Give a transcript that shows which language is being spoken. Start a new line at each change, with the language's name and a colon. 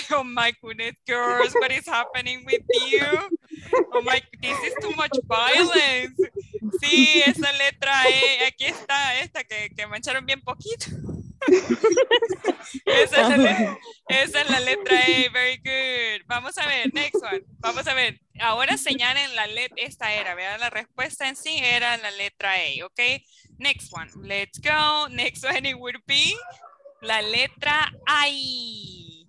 English: Oh my goodness, girls, what is happening with you? Oh my, this is too much violence.
Spanish: Sí, esa letra E, aquí está, esta que mancharon bien poquito. Esa es la letra E,
English: very good.
Spanish: Vamos a ver,
English: next one.
Spanish: Vamos a ver, ahora señalen la letra, esta era, vean la respuesta en sí, era la letra E, ok.
English: Next one, let's go. Next one, it would be
Spanish: la letra I.